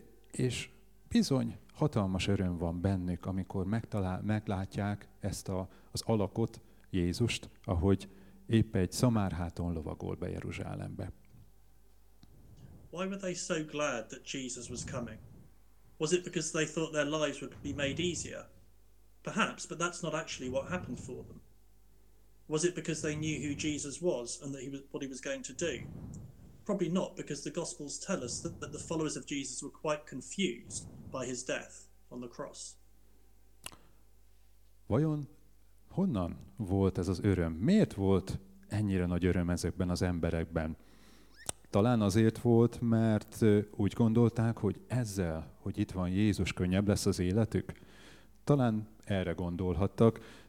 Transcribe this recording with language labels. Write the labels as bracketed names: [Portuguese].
[Hungarian] És bizony hatalmas öröm van bennük, amikor meglátják ezt az alakot, Jézust, ahogy épp egy szamárháton lovagol be Jeruzsálembe. [English] Why were they so glad that Jesus was coming? Was it because they thought their lives would be made easier? Perhaps, but that's not actually what happened for them. Was it because they knew who Jesus was and that what he was going to do? Probably not, because the Gospels tell us that the followers of Jesus were quite confused by his death on the cross. [Hungarian] Vajon honnan volt ez az öröm? Miért volt ennyire nagy öröm ezekben az emberekben? Talán azért volt, mert úgy gondolták, hogy ezzel, hogy itt van Jézus, könnyebb lesz az életük? Talán erre gondolhattak,